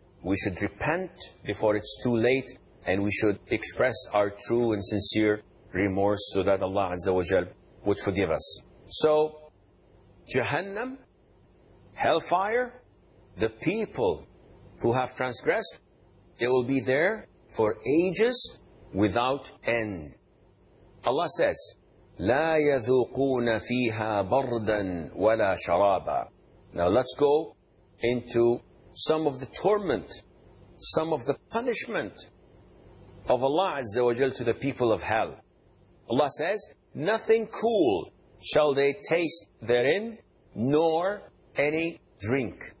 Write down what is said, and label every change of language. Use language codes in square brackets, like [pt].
[en] We should repent before it's too late. And we should express our true and sincere remorse so that Allah Azza wa Jal would forgive us. So, Jahannam, hellfire, the people who have transgressed, they will be there for ages without end. Allah says, [ar] لا يذوقون فيها بردا ولا شرابا. [en] Now let's go into some of the torment, some of the punishment of Allah Azza wa Jal to the people of hell. Allah says, nothing cool shall they taste therein, nor any drink.